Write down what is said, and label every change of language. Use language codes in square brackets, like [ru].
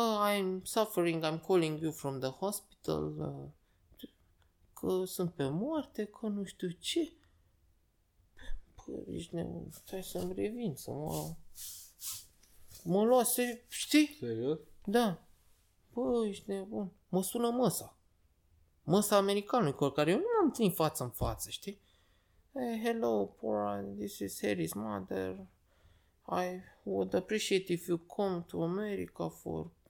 [en] I'm suffering, I'm calling you from the hospital. [ro] Că sunt pe moarte, că nu știu ce. Bă, ești nemân, stai să-mi revin, să mă... Mă luase, știi? Serios? Da. Bă, ești nebun. Mă sună măsa. Măsa americanului, cu care eu nu m-am ținut față în față, știi? [en] Hey, hello, Pora, this is Harry's mother. I would appreciate if you come to America for...